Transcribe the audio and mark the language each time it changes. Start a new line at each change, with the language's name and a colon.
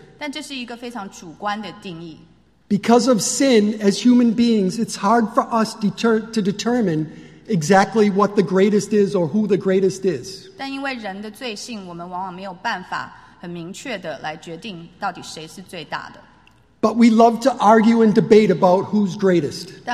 Chinese: 但这是一个非常主观的定义。
English: Because of sin, as human beings, it's hard for us to determine exactly what the greatest is or who the greatest is.
Chinese: 但因为人的罪性，我们往往没有办法很明确的来决定到底谁是最大的。
English: But we love to argue and debate about who's greatest.